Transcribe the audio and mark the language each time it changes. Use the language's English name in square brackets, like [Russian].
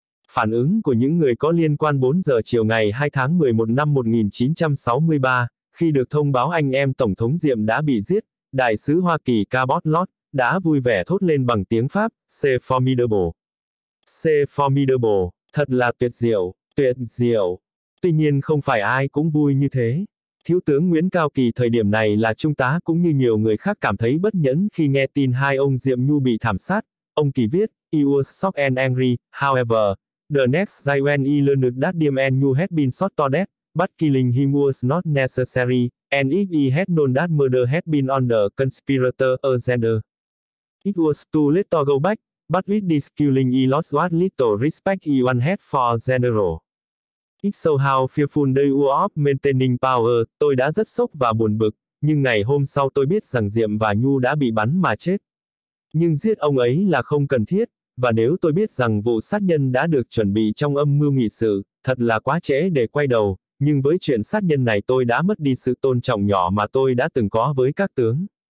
[Vietnamese] Phản ứng của những người có liên quan 4 giờ chiều ngày 2 tháng 11 năm 1963, khi được thông báo anh em Tổng thống Diệm đã bị giết, Đại sứ Hoa Kỳ Cabot Lodge đã vui vẻ thốt lên bằng tiếng Pháp, [French] C'est formidable. C'est formidable, [Vietnamese] thật là tuyệt diệu, tuyệt diệu. Tuy nhiên không phải ai cũng vui như thế. Thiếu tướng Nguyễn Cao Kỳ thời điểm này là trung tá cũng như nhiều người khác cảm thấy bất nhẫn khi nghe tin hai ông Diệm Nhu bị thảm sát. Ông Kỳ viết, [English] "I was shocked and angry, however, the next day when I learned that Diệm and Nhu had been shot to death, but killing him was not necessary, and if I had known that murder had been on the conspirator agenda. It was too late to go back, but with this killing I lost what little respect I once had for general. It's so how fearful they were of maintaining power, [Vietnamese] tôi đã rất sốc và buồn bực, nhưng ngày hôm sau tôi biết rằng Diệm và Nhu đã bị bắn mà chết. Nhưng giết ông ấy là không cần thiết, và nếu tôi biết rằng vụ sát nhân đã được chuẩn bị trong âm mưu nghị sự, thật là quá trễ để quay đầu, nhưng với chuyện sát nhân này tôi đã mất đi sự tôn trọng nhỏ mà tôi đã từng có với các tướng.